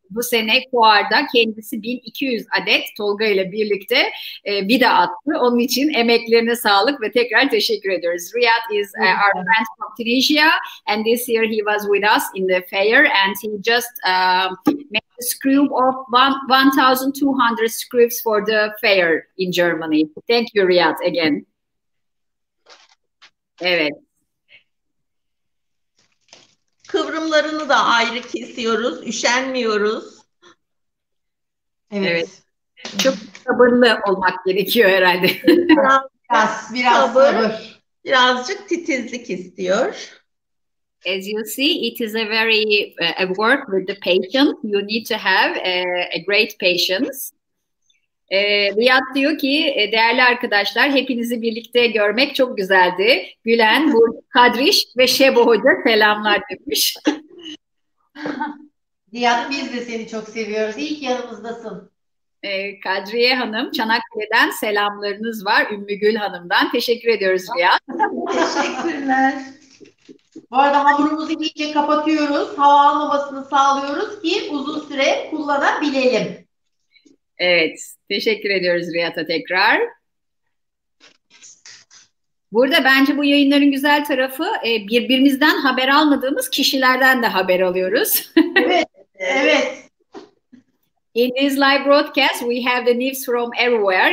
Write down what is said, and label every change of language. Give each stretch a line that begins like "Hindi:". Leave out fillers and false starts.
Turkish: Bu sene Kuar'da kendisi 1200 adet Tolga ile birlikte vida attı. Onun için emeklerine sağlık ve tekrar teşekkür ediyoruz.
English: Riyad is our friend from Tunisia and this year he was with us in the fair and he just made a screw of 1200 screws for the fair in Germany. Thank you Riyad again.
Turkish: Evet. Kıvrımlarını da ayrı kesiyoruz, üşenmiyoruz. Evet. Çok sabırlı olmak gerekiyor herhalde. Biraz sabır. Birazcık titizlik istiyor.
English: As you see, it is a very a work with the patience. You need to have a great patience.
Turkish: Riyad diyor ki değerli arkadaşlar hepinizi birlikte görmek çok güzeldi. Gülen, Burcu, Kadriş ve Şebo Hoca selamlar demiş. Riyad biz de seni çok seviyoruz. İlk yanımızdasın. Kadriye Hanım Çanakkale'den selamlarınız var. Ümmü Gül Hanım'dan. Teşekkür ediyoruz Riyad. Teşekkürler. Bu arada hamurumuzu iyice kapatıyoruz. Hava almamasını sağlıyoruz ki uzun süre kullanabilelim. Evet, teşekkür ediyoruz Riyad'a tekrar. Burada bence bu yayınların güzel tarafı birbirimizden haber almadığımız kişilerden de haber alıyoruz. Evet, evet.
English: In this live broadcast we have the news from everywhere.